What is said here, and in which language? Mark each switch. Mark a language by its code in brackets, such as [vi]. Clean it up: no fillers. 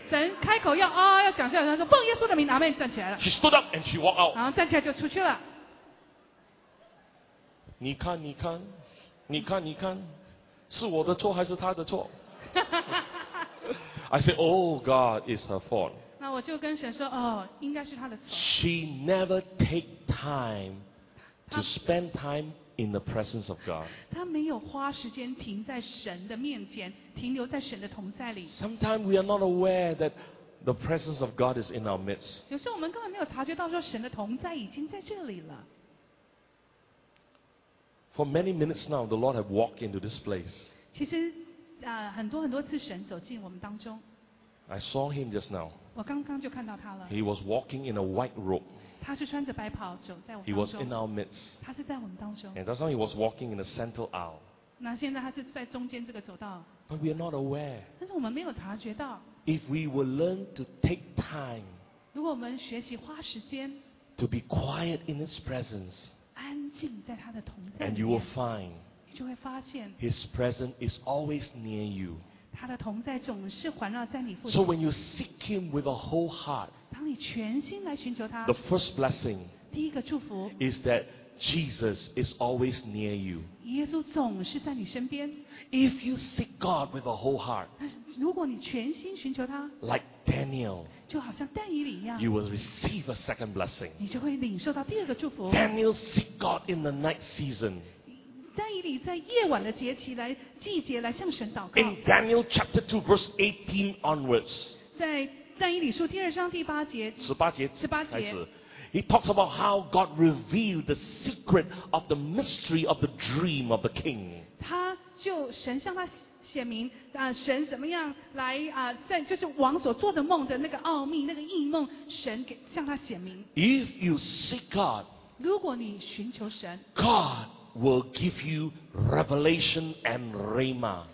[zh] 神开口要啊、哦、要讲出来，她说奉耶稣的名，阿门，站起来了。 [en] She stood up and she walked out. [zh] 然后站起来就出去了。你看，你看，你看，你看，是我的错还是他的错？ [en] I said, "Oh God, it's her fault." [zh] 那我就跟神说，哦，应该是他的错。 [en] She never take time to spend time in the presence of God. [zh] 她没有花时间停在神的面前，停留在神的同在里。 [en] Sometimes we are not aware that the presence of God is in our midst. [zh] 有时候我们根本没有察觉到说神的同在已经在这里了。 [en] For many minutes now, the Lord has walked into this place. [zh] 其实。很多很多次神走进我们当中。 [en] I saw him just now. [zh] 我刚刚就看到他了。 [en] He was walking in a white robe. [zh] 他是穿着白袍走在我们当中。 [en] He was in our midst. [zh] 他是在我们当中。 [en] And that's how he was walking in the central aisle. [zh] 那现在他是在中间这个走道。 [en] But we are not aware. [zh] 但是我们没有察觉到。 [en] If we will learn to take time. [zh] 如果我们学习花时间。 [en] To be quiet in his presence. [zh] 安静在他的同在里 [en] 面。And you will find. [zh] 就会发现 [en] His presence is always near you. [zh] 他的同在总是环绕在你附近。 [en] So when you seek Him with a whole heart, [zh] 当你全心来寻求他， [en] the first blessing, [zh] 第一个祝福 [en] is that Jesus is always near you. [zh] 耶稣总是在你身边。 [en] If you seek God with a whole heart, [zh] 如果你全心寻求他， [en] like Daniel, [zh] 就好像但以理一样， [en] you will receive a second blessing. [zh] 你就会领受到第二个祝福。 [en] Daniel seek God in the night season. [zh] 但以理在夜晚的节期来季节来向神祷告。 [en] In Daniel chapter 2 verse 18 onwards. [zh] 在但以理书第二章第八节。十八节。十八节。开始。 [en] He talks about how God revealed the secret of the mystery of the dream of the king. [zh] 他就神向他显明啊、神怎么样来啊、在就是王所做的梦的那个奥秘那个异梦神给向他显明。 [en] If you seek God. [zh] 如果你寻求神。 [en] God. Will give you revelation and rhema.